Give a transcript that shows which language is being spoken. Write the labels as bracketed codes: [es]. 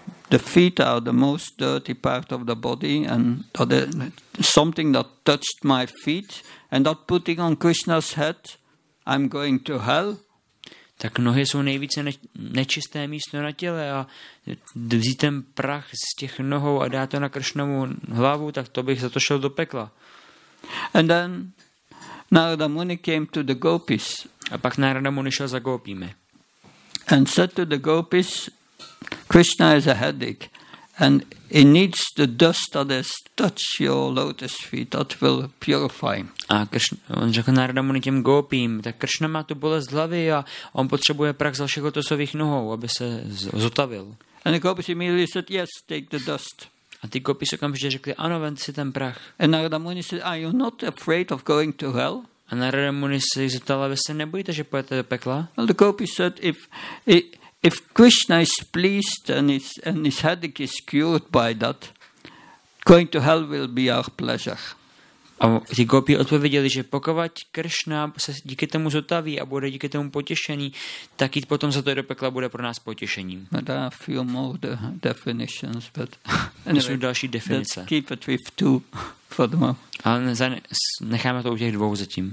[en] The feet are the most dirty part of the body and something that touched my feet and that putting on Krishna's head, I'm going to hell. [cs] Tak nohy jsou nejvíce nečisté místo na těle a vzít ten prach z těch nohou a dát to na Krishnovu hlavu, tak to bych za to šel do pekla. [en] And then Narada Muni came to the gopis. [cs] A pak Narada Muni šel za gopími. [en] And said to the gopis, Krishna has a headache and he needs the dust that has touched your lotus feet that will purify him. [cs] A on řekl Narada Muni těm gopím, tak Krishna má tu bolest hlavy a on potřebuje prach z vašich lotosových nohou, aby se zotavil. [en] And the gopis immediately said, yes, take the dust. [cs] A ty gopi se okamžitě řekli, ano, vem si ten prach. [en] And Narada Muni said, are you not afraid of going to hell? [cs] A Narada Muni se jich zeptala, vy se nebojíte, že pojete do pekla? [en] Well, the gopi said, if Krishna is pleased and his headache is cured by that, going to hell will be our pleasure. [cs] A ty gopi odpověděli, že pokud Krishna se díky tomu zotaví a bude díky tomu potěšený, tak jít potom za to do pekla bude pro nás potěšením. [en] But there are a few more definitions, but [cs] anyway, jsou další definice. [en] Let's keep it with two for the moment. [cs] Ale necháme to u těch dvou zatím.